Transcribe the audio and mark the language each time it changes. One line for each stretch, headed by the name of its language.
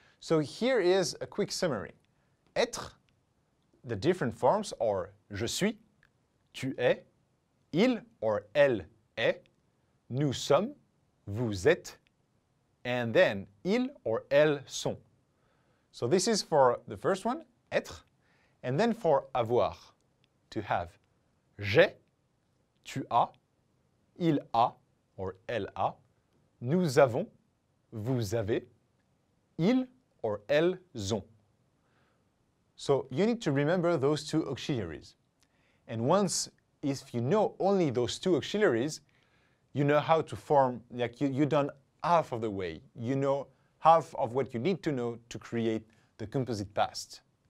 English: So here is a quick summary. Être, the different forms are
French: je suis, tu es,
English: il or elle est,
French: nous sommes, vous êtes,
English: and then ils or elles sont. So this is for the first one, être, and then for avoir, to have.
French: J'ai, tu as, il a or elle a, nous avons, vous avez, ils or elles ont.
English: So you need to remember those two auxiliaries. And once, if you know only those two auxiliaries, you know how to form, like you've done half of the way. You know half of what you need to know to create the composite past.